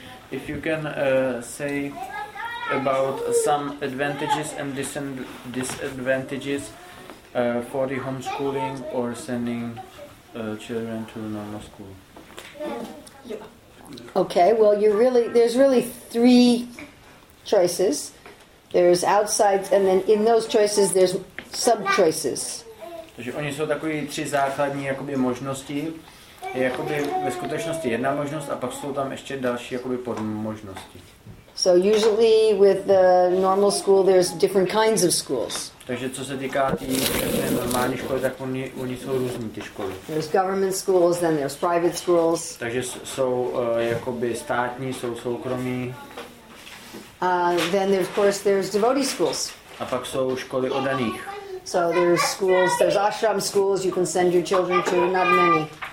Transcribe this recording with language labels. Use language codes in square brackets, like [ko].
[en] If you can say about some advantages and disadvantages for the homeschooling or sending children to normal school. Okay, well, there's really three choices. There's outside, and then in those choices, there's sub-choices. [cs] Takže oni jsou takový tři základní jakoby možnosti. Je jakoby ve skutečnosti jedna možnost a pak jsou tam ještě další jakoby podmožnosti. [en] So usually with the normal school there's different kinds of schools. [cs] Takže co se týká té normální školy, tak oni jsou různý ty školy. [en] There's government schools, then there's private schools. [cs] Takže jsou jakoby státní, jsou soukromí. [en] Then of course there's devotee schools. [cs] A pak jsou školy oddaných. [en] So there's schools, there's ashram schools you can send your children to, not many.